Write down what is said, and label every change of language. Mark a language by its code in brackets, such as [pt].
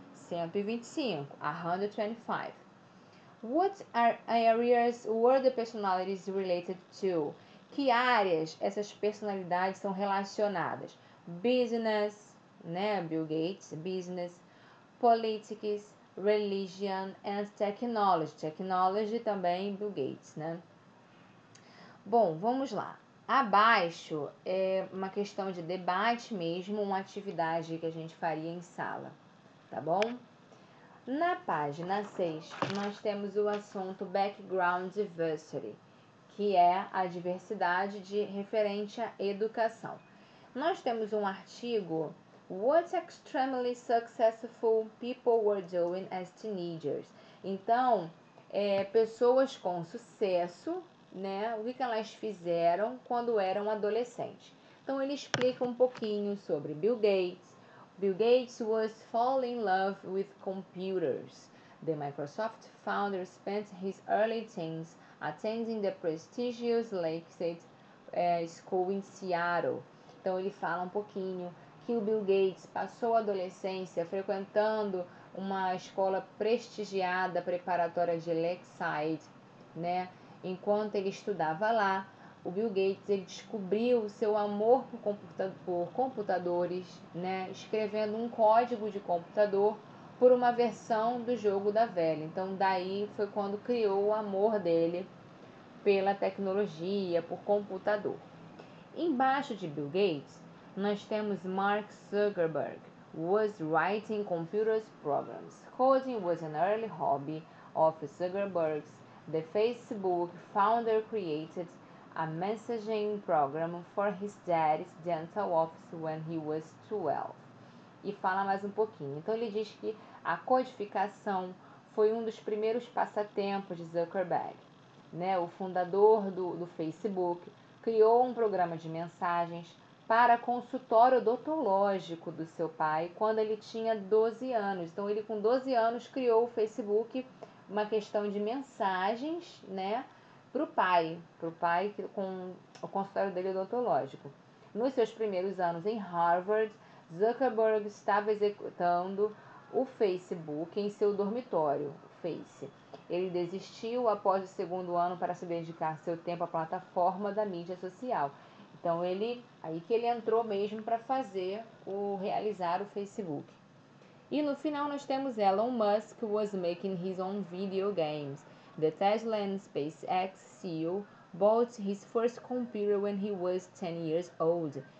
[en] 125, 125. What are areas were the personalities related to? [pt] Que áreas essas personalidades são relacionadas? [en] Business, né, Bill Gates, business, politics, religion and technology. [pt] Technology também, Bill Gates, né? Bom, vamos lá. Abaixo é uma questão de debate mesmo, uma atividade que a gente faria em sala, tá bom? Na página 6, nós temos o assunto background diversity, que é a diversidade de referente à educação. Nós temos um artigo, [en] What Extremely Successful People Were Doing as Teenagers. [pt] Então, pessoas com sucesso, né? O que elas fizeram quando eram adolescentes? Então, ele explica um pouquinho sobre Bill Gates. [en] Bill Gates was falling in love with computers. The Microsoft founder spent his early teens attending the prestigious Lakeside School in Seattle. [pt] Então ele fala um pouquinho que o Bill Gates passou a adolescência frequentando uma escola prestigiada preparatória de Lakeside, né? Enquanto ele estudava lá, o Bill Gates ele descobriu o seu amor por computadores, né? Escrevendo um código de computador por uma versão do jogo da velha. Então daí foi quando criou o amor dele pela tecnologia, por computador. Embaixo de Bill Gates, nós temos Mark Zuckerberg, [en] was writing computer programs. Coding was an early hobby of Zuckerberg's. The Facebook founder created a messaging program for his dad's dental office when he was 12. [pt] E fala mais um pouquinho. Então ele diz que a codificação foi um dos primeiros passatempos de Zuckerberg, né? O fundador do Facebook criou um programa de mensagens para consultório odontológico do seu pai quando ele tinha 12 anos. Então, ele com 12 anos criou o Facebook, uma questão de mensagens, né, para o pai com o consultório dele odontológico. Nos seus primeiros anos em Harvard, Zuckerberg estava executando o Facebook em seu dormitório, o Face. Ele desistiu após o segundo ano para se dedicar seu tempo à plataforma da mídia social. Então aí que ele entrou mesmo para realizar o Facebook. E no final nós temos [en] Elon Musk was making his own video games. The Tesla and SpaceX CEO bought his first computer when he was 10 years old.